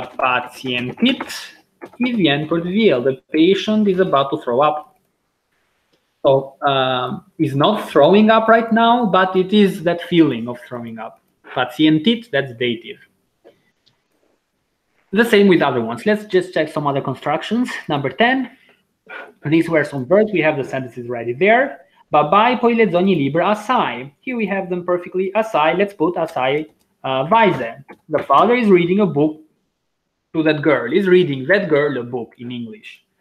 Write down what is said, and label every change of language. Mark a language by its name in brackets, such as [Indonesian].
[Albanian] Pacientit I vjen për të vjell. [English] The patient is about to throw up. So is not throwing up right now, but it is that feeling of throwing up. Pacientit, that's dative. The same with other ones. Let's just check some other constructions. Number 10. These were some verbs. We have the sentences ready there. [Albanian] Babai poi lezo një libër asaj. [English] Here we have them perfectly. Asaj. Let's put [Albanian] asaj vajze. [English] The father is reading a book to that girl. He's reading that girl a book in English.